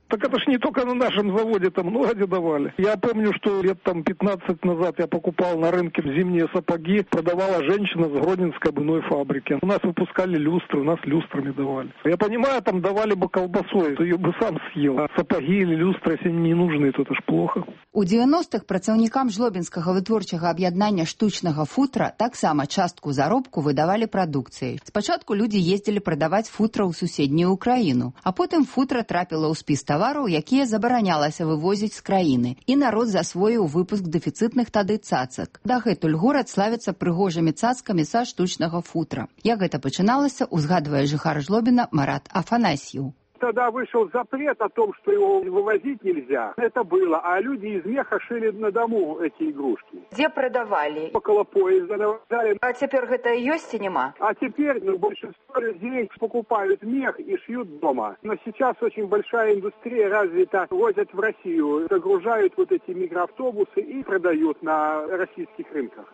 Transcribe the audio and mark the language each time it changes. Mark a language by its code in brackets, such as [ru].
[ru] Так это ж не только на нашем заводе, там много где давали. Я помню, что лет там 15 назад я покупал на рынке зимние сапоги, продавала женщина с Гродненской обувной фабрики. У нас выпускали люстры, у нас люстрами давали. Я понимаю, там давали бы колбасой, то ее бы сам съел. А сапоги или люстры, если они не нужны, то это ж плохо. [be] У 90-х працаўнікам Жлобінскага вытворчага аб'яднання штучнага футра таксама частку заробку выдавалі прадукцыяй. Спачатку людзі ездзілі прадаваць футра ў суседнюю Украіну, а потым футра трапіла ў спіс тавараў, якія забаранялася вывозіць з краіны, і народ засвоіў выпуск дэфіцытных тады цацак. Дагэтуль горад славіцца прыгожымі цацкамі са штучнага футра. Як гэта пачыналася, узгадвае жыхар Жлобіна Марат Афанасьеў. [ru] Тогда вышел запрет о том, что его вывозить нельзя. Это было. А люди из меха шили на дому эти игрушки. Где продавали? Около поезда на вокзале. А теперь это есть синема? А теперь, ну, большинство людей покупают мех и шьют дома. Но сейчас очень большая индустрия развита. Возят в Россию, загружают вот эти микроавтобусы и продают на российских рынках.